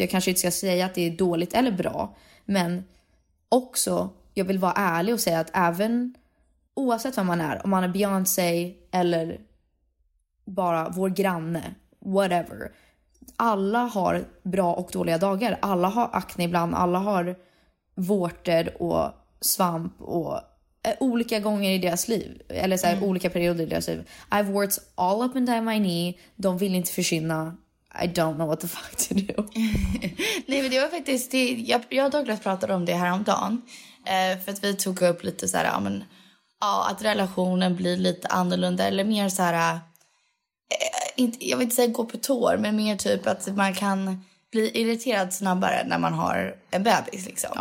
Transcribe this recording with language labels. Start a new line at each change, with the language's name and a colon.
Swedish: Jag kanske inte ska säga att det är dåligt eller bra, men också jag vill vara ärlig och säga att även oavsett vem man är, om man är Beyoncé eller bara vår granne, whatever, alla har bra och dåliga dagar. Alla har akne ibland, alla har vårter och svamp och olika gånger i deras liv, eller så här, olika perioder i deras liv.
English: I've warts all up and down my knee.
Swedish: De vill inte försvinna.
English: I don't know what the fuck to do.
Swedish: Nej, men det var faktiskt jag och Douglas pratade om det här om dagen, för att vi tog upp lite så här, ja, men ja, att relationen blir lite annorlunda eller mer så här, jag vill inte säga gå på tår, men mer typ att man kan bli irriterad snabbare när man har en bebis liksom.